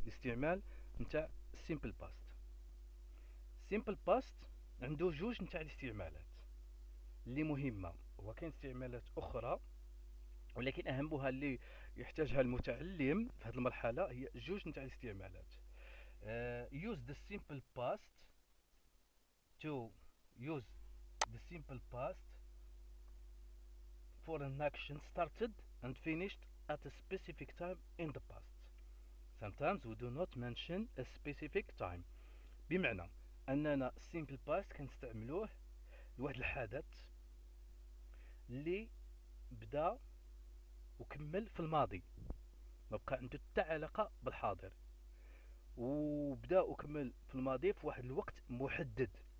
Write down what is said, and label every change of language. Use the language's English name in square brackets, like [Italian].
[Arabic] الاستعمال نتاع سيمبل باست، سيمبل باست عنده جوج نتاع الاستعمالات اللي مهمة، وكاين استعمالات أخرى ولكن أهمها اللي يحتاجها المتعلم في هذه المرحلة هي جوج نتاع الاستعمالات. [English] Use the simple past to use the simple past for an action started and finished at a specific time in the past. Sometimes we do not mention a specific time. [Arabic] بمعنى أننا simple past كنستعملوه لواحد الحدث اللي بدأ وكمل في الماضي، ما بقى عنده حتى علاقة بالحاضر، وبدأ وكمل في الماضي في واحد الوقت محدد.